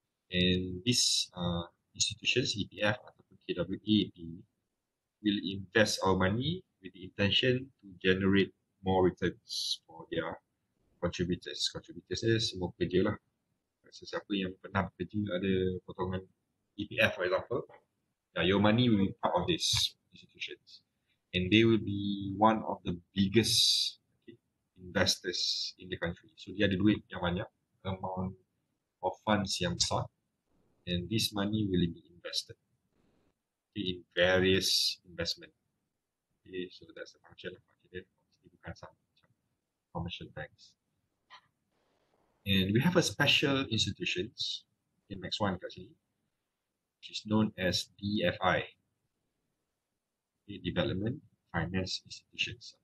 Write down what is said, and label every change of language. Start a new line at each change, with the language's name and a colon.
English: And these institutions, ETF ataupun KWAP, will invest our money with the intention to generate more returns for their contributors.
Malay: Contributors ni semua pekerja lah. Sesiapa yang pernah bekerja ada potongan EPF
English: for example. Yeah, your money will be part of these institutions. And they will be one of the biggest investors in the country.
Malay: So dia ada duit yang banyak,
English: amount of funds
Malay: yang besar.
English: And this money will be invested in various investment. Okay, so that's the function of market. Obviously, we have some commercial banks. And we have a special institutions in next one, which is known as DFI, okay, Development Finance Institutions.